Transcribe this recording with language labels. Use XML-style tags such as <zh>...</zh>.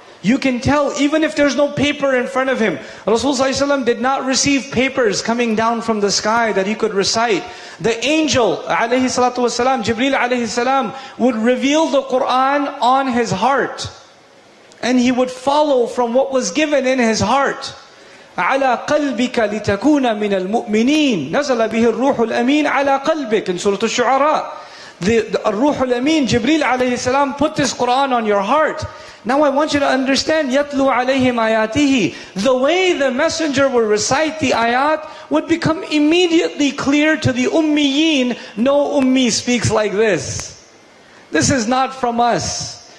<en>You can tell even if there's no paper in front of him. Rasulullah ﷺ did not receive papers coming down from the sky that he could recite. The angel alayhi salatu wasalam, Jibreel alayhi salam, would reveal the Quran on his heart. And he would follow from what was given in his heart.</en> <ar>عَلَىٰ قَلْبِكَ لِتَكُونَ مِنَ الْمُؤْمِنِينَ نَزَلَ بِهِ الرُّوحُ الْأَمِينَ عَلَىٰ قَلْبِكَ</ar> <en>in Surah Al-Shu'ara. The Ar-Ruhul Amin, Jibreel alayhi salam, put this Quran on your heart. Now I want you to understand,</en> <ar>يَتْلُوا عَلَيْهِمْ آيَاتِهِ.</ar> <en>The way the messenger will recite the ayat would become immediately clear to the Ummiyin. No Ummi speaks like this. This is not from us.</en>